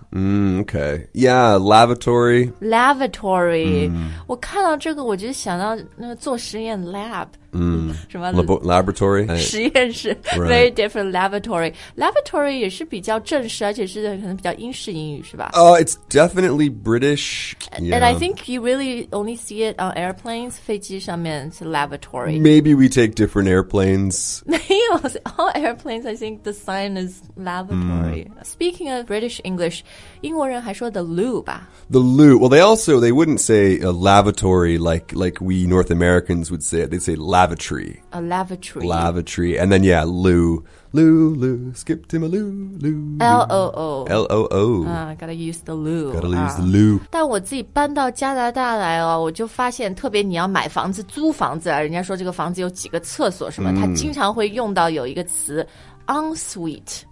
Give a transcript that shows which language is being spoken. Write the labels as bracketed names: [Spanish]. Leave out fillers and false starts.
[English] Okay. Yeah, lavatory. Lavatory.、Mm. [Chinese] 我看到这个，我就想到那个做实验 lab. 嗯、mm. ，什么 [English] laboratory [Chinese] 实验室、 [English] right. ？Very different lavatory. [Chinese] Lavatory 也是比较正式，而且是可能比较英式英语，是吧？ [English] It's definitely British.、Yeah. And I think you really only see it on airplanes, [Chinese] 飞机上面 [English] it's a lavatory. Maybe we take different airplanes. 没有 all airplanes, I think the sign is lavatory.、Mm. Speaking of British English, [Chinese] 英国人还说 [English] the loo 吧 The loo. Well, they wouldn't say a lavatory like we North Americans would say it. They'd say lavatory. A lavatory. Lavatory. And then, yeah, loo. Loo, loo, skip to my loo, loo. L-O-O. L-O-O. Gotta use the loo. Gotta use the loo. [Chinese] 但我自己搬到加拿大来哦，我就发现特别你要买房子、租房子，人家说这个房子有几个厕所什么，他经常会用到有一个词 ,en-suite.